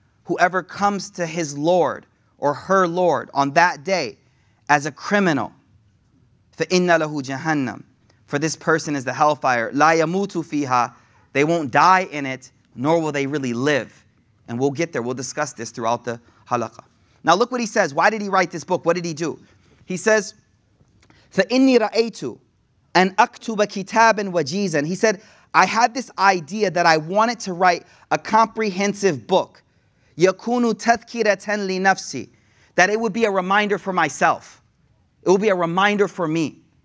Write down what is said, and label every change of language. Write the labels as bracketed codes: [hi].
[en] Whoever comes to his Lord or her Lord on that day as a criminal, [ar] فَإِنَّ لَهُ جَهَنَّمُ. [en] For this person is the hellfire. [ar] لَا يَمُوتُ فِيهَا. [en] They won't die in it, nor will they really live. And we'll get there. We'll discuss this throughout the halaqa. Now look what he says. Why did he write this book? What did he do? He says, [ar] فَإِنِّي رَأَيْتُ أَنْ أَكْتُبَ كِتَابًا وَجِيزًا. [en] He said, I had this idea that I wanted to write a comprehensive book. [ar] يَكُونُ تَذْكِرَةً لِنَفْسِي. [en] That it would be a reminder for myself. It would be a reminder for me.